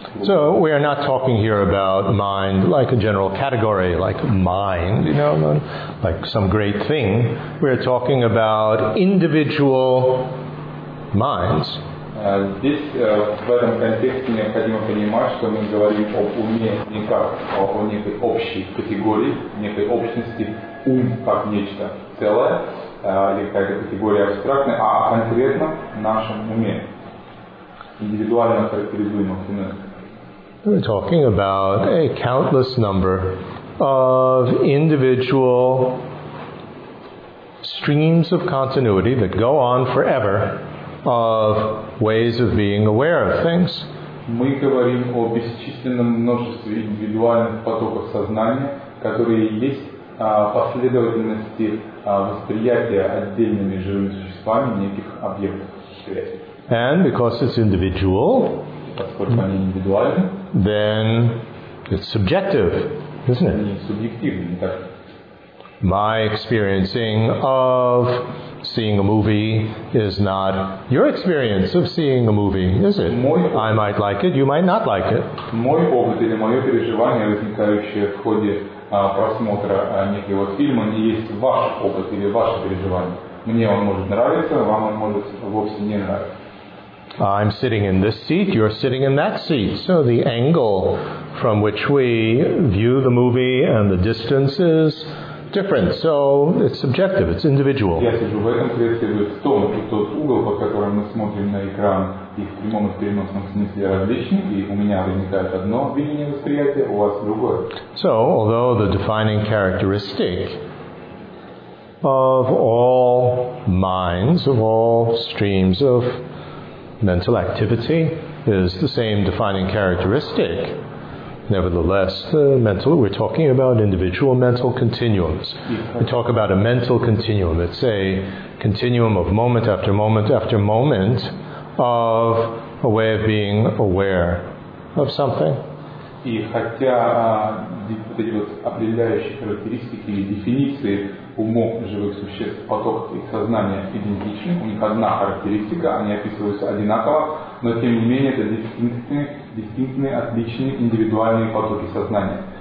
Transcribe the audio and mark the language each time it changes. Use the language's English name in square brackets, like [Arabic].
[English] So we are not talking here about mind like a general category, like mind, you know, like some great thing. We are talking about individual minds. [Russian] В этом контексте необходимо понимать, что мы говорим об уме не как о некой общей категории, некой общности, ум как нечто целое. или какая-то категория абстрактная, а конкретно в нашем уме, индивидуально характеризуемом уме. [English] We're talking about a countless number of individual streams of continuity that go on forever of ways of being aware of things. [Russian] Мы говорим о бесчисленном множестве индивидуальных потоков сознания, которые есть последовательности восприятия отдельными живыми существами неких объектов. [English] And because it's individual, [Russian] поскольку они индивидуальны, [English] then it's subjective, isn't it? [Russian] Субъективно, не так. [English] My experiencing of seeing a movie is not your experience of seeing a movie, is it? I might like it, you might not like it. [Russian] Мой опыт или мое переживание, возникающее в ходе просмотра некоего фильма, не есть ваш опыт или ваше переживание. Мне он может нравиться, вам он может вовсе не нравиться. [English] I'm sitting in this seat, you're sitting in that seat. So the angle from which we view the movie and the distance is different. So it's subjective, it's individual. [Russian] Я сижу в этом кресле, вы в том, и тот угол, по которому мы смотрим на экран, и в прямом и в переносном смысле различны, и у меня возникает одно видение восприятия, у вас другое. [English] So, although the defining characteristic of all minds, of all streams of mental activity is the same defining characteristic. Nevertheless, the mental, we're talking about individual mental continuums. We talk about a mental continuum. It's a continuum of moment after moment after moment of a way of being aware of something. [Russian] И хотя вот эти вот определяющие характеристики или дефиниции умов живых существ, поток их сознания идентичны, у них одна характеристика, они описываются одинаково, но тем не менее это дистинктные, отличные индивидуальные потоки сознания.